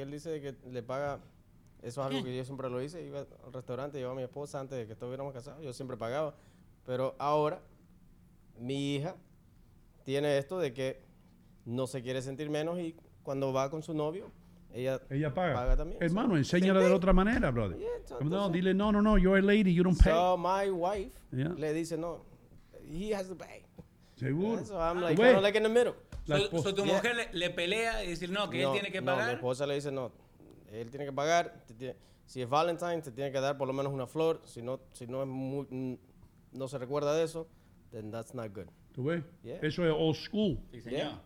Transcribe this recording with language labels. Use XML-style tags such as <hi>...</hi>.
<es>Él dice que le paga... Eso es algo que yo siempre lo hice. Iba al restaurante, llevaba a mi esposa antes de que estuviéramos casados. Yo siempre pagaba. Pero ahora, mi hija tiene esto de que no se quiere sentir menos y cuando va con su novio, ella paga también. Hermano, enséñala de la otra manera,</es> <en>brother. Yeah,</en> <es>entonces, no, dile, no,</es> <en>you're a lady, you don't pay. So my wife</en> <es>le dice, no,</es> <en>he has to pay.</en> <es>¿Seguro?</es> <en>So I'm like, kind of like in the middle.</en> <es>Tu mujer le pelea y dice, no, que él tiene que pagar. No, mi esposa le dice, no, él tiene que pagar. Si es Valentine, te tiene que dar por lo menos una flor. Si no es muy... no se recuerda de eso,</es> <en>then that's not good.</en> <es>¿Tú ves? Yeah. Eso es</es> <en>old school.</en> <es>Sí, señor. Yeah,</es>